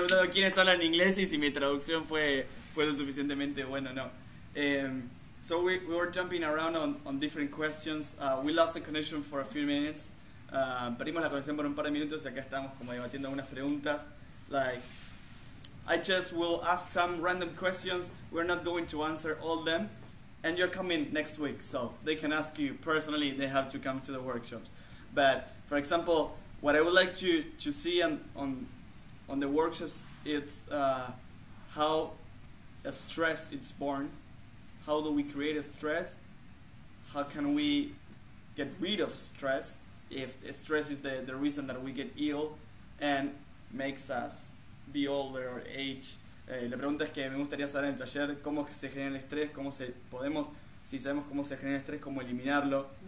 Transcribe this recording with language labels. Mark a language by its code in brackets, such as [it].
[es] ¿Quiénes hablan inglés y si mi traducción fue lo suficientemente bueno o no? [en] So we were jumping around on different questions. We lost the connection for a few minutes. [es] Perdimos la conexión por un par de minutos y acá estamos como debatiendo algunas preguntas. [en] Like, I just will ask some random questions. We're not going to answer all them. And you're coming next week, so they can ask you personally. They have to come to the workshops. But, for example, what I would like to see on the workshops is how a stress is born. How do we create a stress? How can we get rid of stress if stress is the reason that we get ill and makes us be older or age? [es] La pregunta es que me gustaría saber en el taller cómo se genera el estrés, cómo se podemos, si sabemos cómo se genera el estrés, cómo eliminarlo.